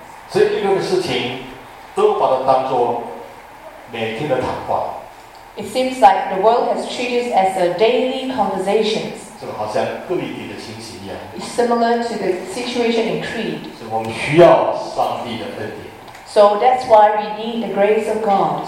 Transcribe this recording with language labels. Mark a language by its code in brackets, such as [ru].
[zh] 所以这个事情都把它当作每天的谈话。 [en] It seems like the world has treated it as a daily conversation. [zh] 这个好像格雷迪的情形一样。 [en] It's similar to the situation in Crete. [zh] 所以我们需要上帝的恩典。 [en] So that's why we need the grace of God.